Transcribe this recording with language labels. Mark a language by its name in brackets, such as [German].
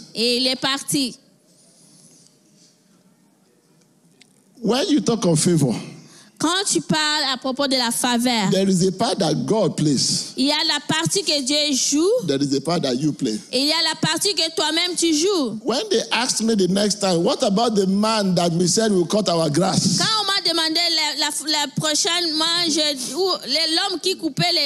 [French] Et il est parti. [English] When you talk of favor. [French] Quand tu parles à propos de la faveur, [English] there is a part that God plays. [French] Il y a la partie que Dieu joue. [English] There is a part that you play. [French] Et il y a la partie que toi-même tu joues. [English] When they asked me the next time, what about the man that we said will cut our grass? [French] Quand on m'a demandé la prochaine manche ou l'homme qui coupait